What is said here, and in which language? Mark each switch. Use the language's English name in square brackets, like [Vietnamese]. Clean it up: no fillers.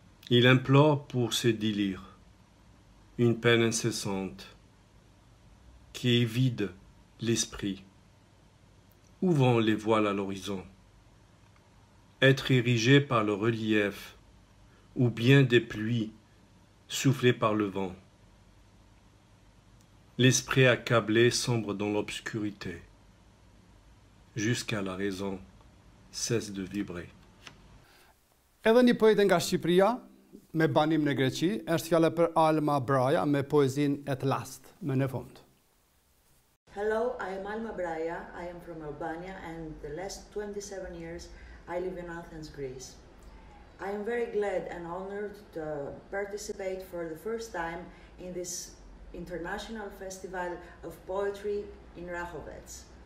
[French] Il implore pour ses délires une peine incessante qui vide l'esprit, ouvrant les voiles à l'horizon, être érigé par le relief ou bien des pluies soufflées par le vent. L'esprit accablé sombre dans l'obscurité, jusqu'à la raison cesse de vibrer. [Albanian] Edhe një poet nga Shqipëria, me banim në Greqi, është fjala për Alma Braja me poezin At Last, më në fund. [English] Hello, I am Alma Braja, I am from Albania and the last 27 years I live in Athens, Greece. I am very glad and honored to participate for the first time in this International Festival of Poetry in Rahovec.